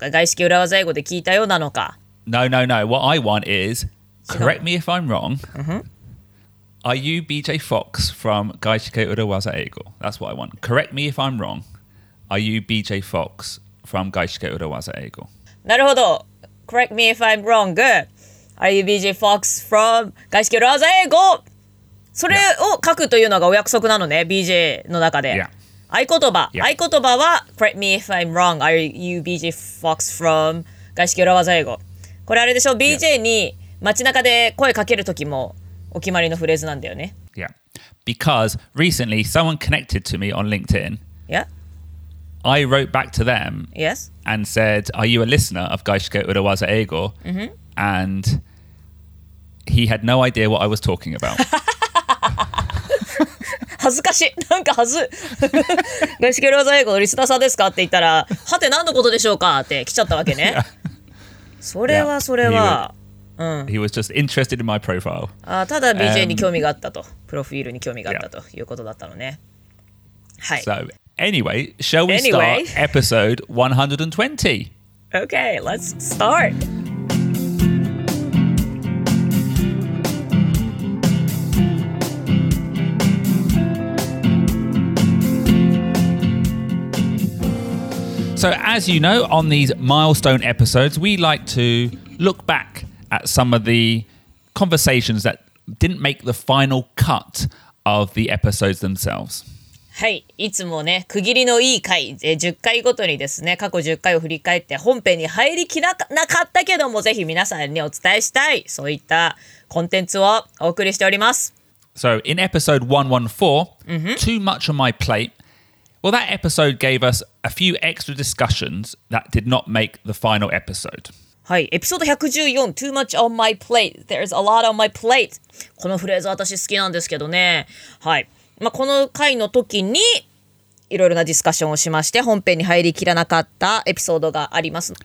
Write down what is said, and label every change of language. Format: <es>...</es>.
<ja>ああ、追加するときには黙ってただ追加ボタンを押すのではなく、一言メッセージが欲しいなということね。どこで知ったのかとか、外資系裏技英語で聞いたようなのか。</ja> <en>No, no, no. What I want is, correct me if I'm wrong, are you BJ Fox from Gaishike Urawaza Eigo? That's what I want. Correct me if I'm wrong. Are you BJ Fox from Gaishike Urawaza Eigo?</en> <ja>なるほど.</ja> <en>Correct me if I'm wrong. Good. Are you BJ Fox from Gaishike Urawaza Eigo?</en> <ja>それを書くというのがお約束なのね、BJ の中で。</ja> <en>Yeah. 合言葉、yeah. 合言葉は、Correct me if I'm wrong, are you BJ Fox from 外資系裏技英語。</en> <ja>これあれでしょ、BJ に街中で声かけるときもお決まりのフレーズなんだよね。</ja> <en>Yeah. Because recently someone connected to me on LinkedIn. Yeah. I wrote back to them. Yes. And said, are you a listener of 外資系裏技英語? Mm-hmm. And he had no idea what I was talking about.</en> <ja>恥ずかしい、なんか恥ず外資系裏技英語のリスナーさんですかって言ったら、はて何のことでしょうかって来ちゃったわけね、yeah. それはそれは、</ja> <en>yeah. he was just interested in my profile.</en> <ja>あ、ただ BJ に興味があったと、プロフィールに興味があったということだったのね、はい。</ja> <en>So anyway, shall we start episode 120? Okay, let's start So as you know, on these milestone episodes, we like to look back at some of the conversations that didn't make the final cut of the episodes themselves.</en> <ja>はい、いつもね、区切りのいい回、10回ごとにですね、過去10回を振り返って本編に入りきらなかったけども、ぜひ皆さんにお伝えしたい、そういったコンテンツをお送りしております。</ja> <en>So in episode 114, mm-hmm. Too Much on My Plate,Well, that episode gave us a few extra discussions that did not make the final episode.</en> <ja>はい、エピソード114、</ja> <en>Too Much on My Plate. There's a lot on my plate.</en> <ja>このフレーズ私好きなんですけどね。はい。まあ、この回の時にいろいろなディスカッションをしまして、本編に入りきらなかったエピソードがあります。</ja>